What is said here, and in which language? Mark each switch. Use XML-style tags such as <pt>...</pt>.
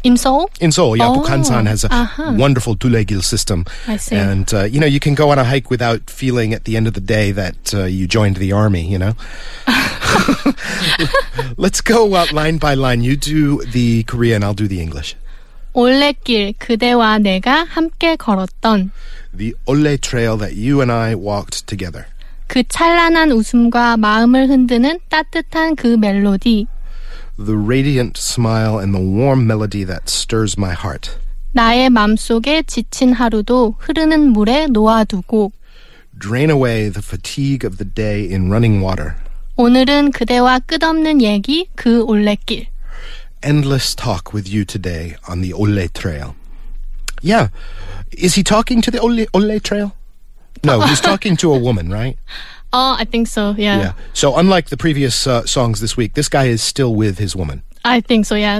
<en>In Seoul? In Seoul, yeah. Oh. Bukhansan has a wonderful 둘레길 system. I see. And, you know, you can go on a hike without feeling at the end of the day that you joined the army, you know? Let's go line by line. You do the Korean, I'll do the English.</en> <ko>올레길, 그대와 내가 함께 걸었던.</ko> <en>The 올레 trail that you and I walked together.</en> <ko>그 찬란한 웃음과 마음을 흔드는 따뜻한 그 멜로디.</ko> <en>The radiant smile and the warm melody that stirs my heart.</en> <ko>나의 맘속에 지친 하루도 흐르는 물에 놓아두고.</ko> <en>Drain away the fatigue of the day in running water.</en> <ko>오늘은 그대와 끝없는 얘기, 그 올레길.</ko> <en>Endless talk with you today on the 올레 trail. Yeah. Is he talking to the 올레 trail? No, he's talking to a woman, right? Oh, I think so, yeah. Yeah. So unlike the previous songs this week, this guy is still with his woman. I think so, yeah.</en>